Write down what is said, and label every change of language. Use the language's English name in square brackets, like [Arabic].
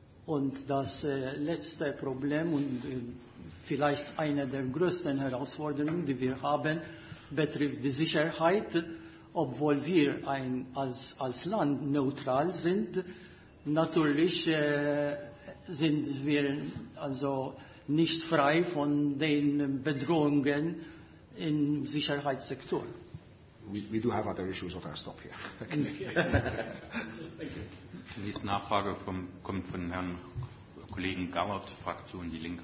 [German] Und das letzte Problem und vielleicht eine der größten Herausforderungen, die wir haben, betrifft die Sicherheit, obwohl wir als Land neutral sind. Natürlich sind wir also nicht frei von den Bedrohungen im Sicherheitssektor. [English] We do have other issues, but I'll stop here. [German] Die nächste Nachfrage kommt von Herrn Kollegen Gauert, Fraktion Die Linke.